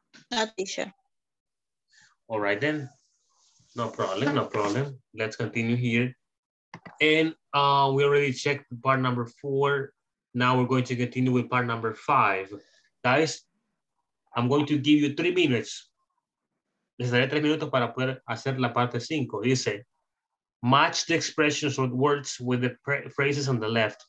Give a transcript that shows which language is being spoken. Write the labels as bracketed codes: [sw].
[en] Not teacher. All right then. No problem. Let's continue here. And we already checked part number 4. Now we're going to continue with part number 5. Guys, I'm going to give you 3 minutes. [es] Les daré 3 minutos para poder hacer la parte 5. [en] Dice, match the expressions or words with the phrases on the left.